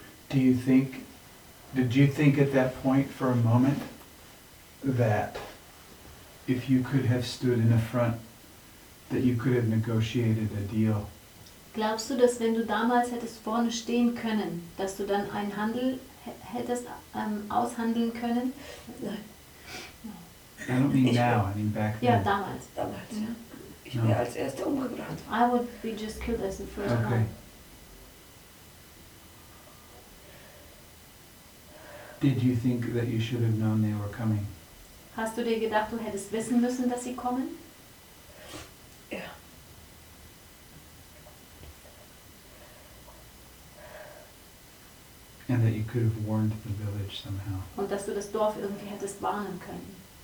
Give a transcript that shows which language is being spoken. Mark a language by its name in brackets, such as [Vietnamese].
[English] Do you think, did you think at that point for a moment that if you could have stood in the front, that you could have negotiated a deal? [German] Glaubst du, dass wenn du damals hättest vorne stehen können, dass du dann einen Handel hättest aushandeln können? Nein. [English] No. I don't mean now, I mean back then. [German] Ja, damals. Damals, ja. Ich wäre als Erste umgebracht. [English] I would be just killed as the first one. Okay. Did you think that you should have known they were coming? [German] Hast du dir gedacht, du hättest wissen müssen, dass sie kommen? [English] And that you could have warned the village somehow. [German] Und dass du das Dorf irgendwie hättest warnen können.